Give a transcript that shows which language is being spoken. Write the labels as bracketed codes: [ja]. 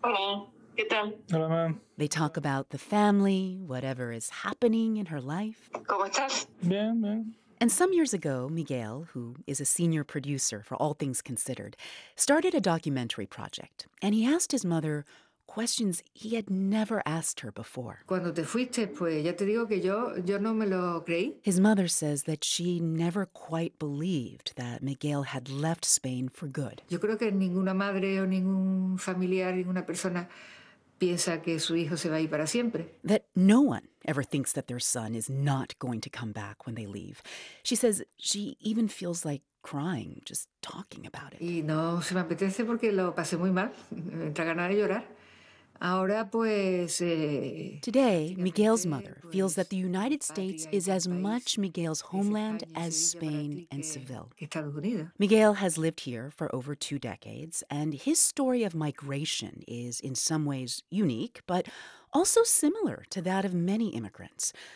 [es] Hola. ¿Qué tal? Hola, ma'am. [en] They talk about the family, whatever is happening in her life. [es] ¿Cómo estás? Bien, bien. [en] And some years ago, Miguel, who is a senior producer for All Things Considered, started a documentary project. And he asked his mother questions he had never asked her before. [es] Cuando te fuiste, pues, ya te digo que yo no me lo creí. [en] His mother says that she never quite believed that Miguel had left Spain for good. [es] Yo creo que ninguna madre o ningún familiar, ninguna persona piensa que su hijo se va a ir para siempre. [en] That no one ever thinks that their son is not going to come back when they leave. She says she even feels like crying just talking about it. [es] Y no se me apetece porque lo pasé muy mal. Me entra ganas de llorar. Ahora, pues, [en] Today, Miguel's mother feels that the United States is as much Miguel's homeland as Spain and Seville. Miguel has lived here for over two decades, and his story of migration is in some ways unique, but also similar to that of many immigrants.